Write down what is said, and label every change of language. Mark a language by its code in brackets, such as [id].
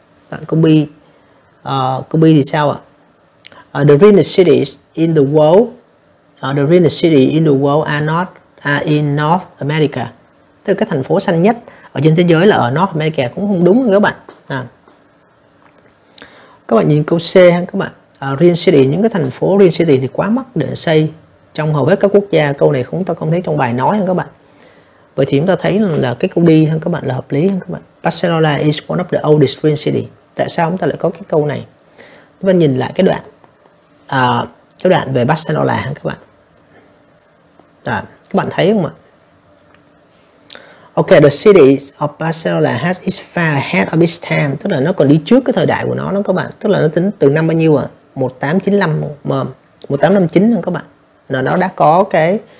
[vi] Bạn câu B, câu B thì sao ạ? [en] The greenest cities in the world, the greenest city in the world are not are in North America, [vi] tức là cái thành phố xanh nhất ở trên thế giới là ở North America, cũng không đúng các bạn. Các bạn nhìn câu C ha các bạn. Green city, những cái thành phố green city thì quá mắc để xây trong hầu hết các quốc gia. Câu này chúng ta không thấy trong bài nói ha các bạn. Vậy thì chúng ta thấy là cái câu D ha các bạn là hợp lý ha các bạn. [en] Barcelona is one of the oldest green city. [vi] Tại sao chúng ta lại có cái câu này? Chúng ta nhìn lại cái đoạn về Barcelona ha các bạn. Các bạn thấy không ạ? [en] Ok, the city of Barcelona has its far ahead of its time, [vi] tức là nó còn đi trước cái thời đại của nó đó các bạn, tức là nó tính từ năm bao nhiêu ạ? 1895 các bạn. Nó đã có cái